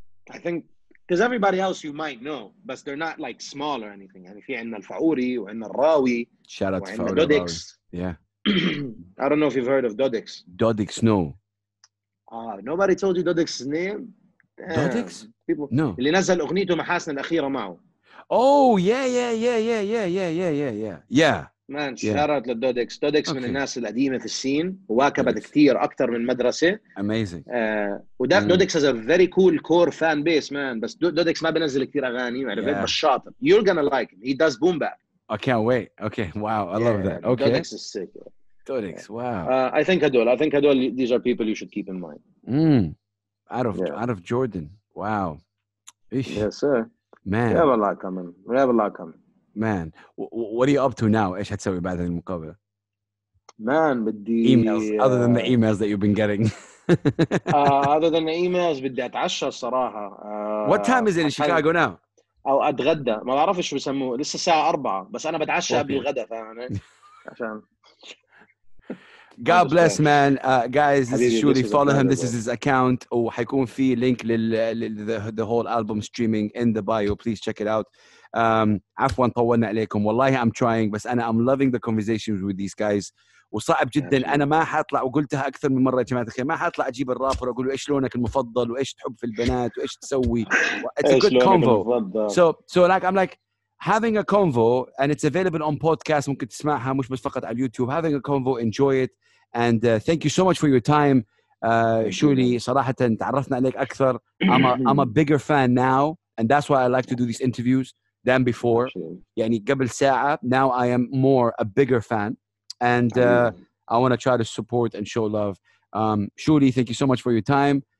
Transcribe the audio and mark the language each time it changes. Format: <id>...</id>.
<en>I think because everybody else you might know, but they're not like small or anything.</en> <ar>يعني في عندنا الفعوري وعندنا الراوي.</ar> <en>Shout out to Fawri and Dodix. Yeah. I don't know if you've heard of Dodix. Dodix, no. Nobody told you Dodix's name? Dodix? People. No.</en> <ar>اللي نزل أغنيته محاسن الأخيرة معه.</ar> <en>Oh, yeah. Man, shout out to Dodix.</en> <ar>Dodix من الناس القديمة في السين. واكبت كتير أكتر من مدرسة.</ar> <en>Amazing. Dodix has a very cool core fan base, man.</en> <ar>بس Dodix ما بنزل كتير أغاني.</ar> <en>Yeah.</en> <ar>بس شاطر.</ar> <en>You're gonna like him. He does boom bap. I can't wait. Okay, wow. I love that. Okay. Dodix is sick. Dodix, wow. I think Adol, these are people you should keep in mind. Out of Jordan. Wow. Eesh. Yes, sir. Man. We have a lot coming. Man, what are you up to now?</en> <ar>إيش هتسوي بعد المقابلة؟ Man, بدي</ar> <en>emails. Other than the emails that you've been getting. other than the emails,</en> <ar>بدي أتعشى الصراحة.</ar> <en>What time is it in Chicago now?</en> <ar>أو أتغدى. ما أعرف إيش بيسموه. لسه الساعة 4 بس أنا بتعشى قبل الغدا عشان.</ar> <en>God bless, man. Guys, this is Shuri. Follow him. This is his account.</en> <ar>وحيكون في</ar> <en>link the whole album streaming in the bio. Please check it out.</en> <ar>عفوا طولنا عليكم.</ar> <en>والله I'm trying,</en> <ar>بس أنا</ar> <en>I'm loving the conversations with these guys.</en> <ar>وصعب جدا. أنا ما حطلع وقلتها أكثر من مرة يا جماعة الخير. ما حطلع أجيب الرابر وأقول له إيش لونك المفضل وإيش تحب في البنات وإيش تسوي.</ar> <en>It's a good combo. So like I'm like. Having a convo, and it's available on podcast,</en> <ar>ممكن تسمعها مش بس فقط على</ar> <en>YouTube. Having a convo, enjoy it. And thank you so much for your time.</en> <ar>Shuri, صراحة تعرفنا عليك أكثر.</ar> <en>I'm a bigger fan now, and that's why I like to do these interviews than before.</en> <ar>يعني قبل ساعة,</ar> <en>now I am more a bigger fan. And I want to try to support and show love. Shuri, thank you so much for your time.</en>